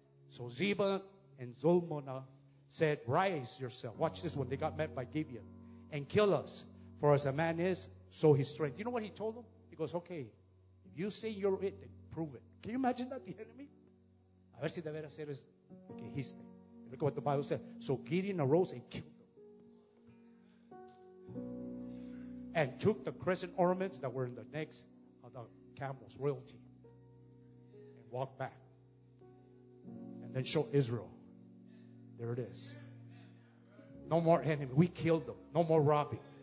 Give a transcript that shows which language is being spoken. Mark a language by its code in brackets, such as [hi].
[en] So Ziba and Zalmunna said, rise yourself. Watch this one. They got met by Gibeon. And kill us. For as a man is, so his strength. You know what he told them? He goes, okay, if you say you're it, then prove it. Can you imagine that, the enemy? [es] A ver si de veras eres que dijiste. [en] Look at what the Bible says. So Gideon arose and killed them. And took the crescent ornaments that were in the necks of the camels, royalty. And walked back. And then showed Israel. There it is. No more enemy. We killed them. No more robbing.